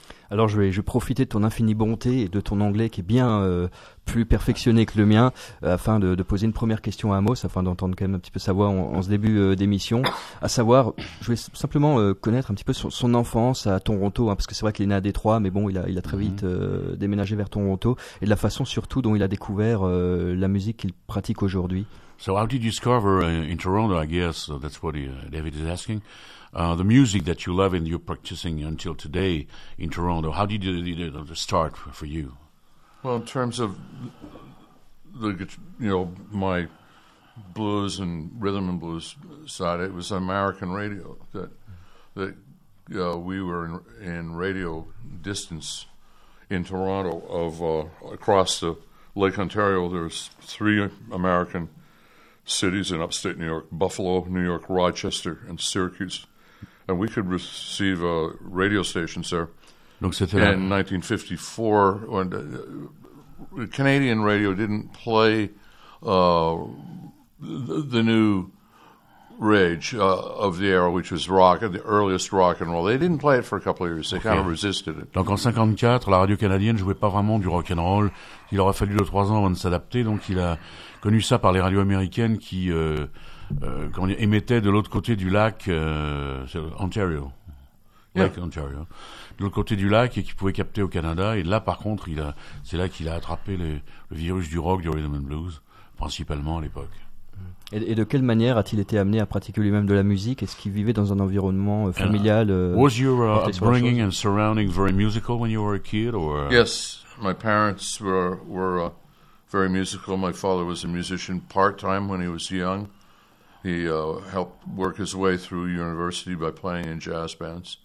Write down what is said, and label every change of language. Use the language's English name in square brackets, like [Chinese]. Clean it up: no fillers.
[French] Alors je vais profiter de ton infinie bonté et de ton anglais qui est bien plus perfectionné que le mien afin de poser une première question à Amos, afin d'entendre quand même un petit peu sa voix en ce début d'émission. À savoir, je vais simplement connaître un petit peu son enfance à Toronto, hein, parce que c'est vrai qu'il est né à Détroit, mais bon, il a très vite déménagé vers Toronto, et de la façon surtout dont il a découvert la musique qu'il pratique aujourd'hui. [English] So how did you discover in Toronto, I guess that's what David is asking. The music that you love and you're practicing until today in Toronto, how did the start for you? Well, in terms of my blues and rhythm and blues side, it was American radio that we were in radio distance in Toronto of across the Lake Ontario. There's three American cities in upstate New York: Buffalo, New York, Rochester, and Syracuse. And we could receive radio stations there. [French] Donc c'était [English] in 1954, when Canadian radio didn't play the new rage of the era, which was rock, the earliest rock and roll. They didn't play it for a couple of years. They kind of resisted it. [French] Donc en 54, la radio canadienne jouait pas vraiment du rock and roll. Il aurait fallu 2-3 ans avant de s'adapter. Donc il a connu ça par les radios américaines qui émettait de l'autre côté du lac, Ontario. [English] Yeah. Lake Ontario. [French] De l'autre côté du lac et qui pouvait capter au Canada. Et là, par contre, c'est là qu'il a attrapé le virus du rock, du rhythm and blues, principalement à l'époque. Et de quelle manière a-t-il été amené à pratiquer lui-même de la musique? Est-ce qu'il vivait dans un environnement familial? [English] Was your upbringing and surrounding very musical when you were a kid? Yes, my parents were very musical. My father was a musician part-time when he was young. He helped work his way through university by playing in jazz bands.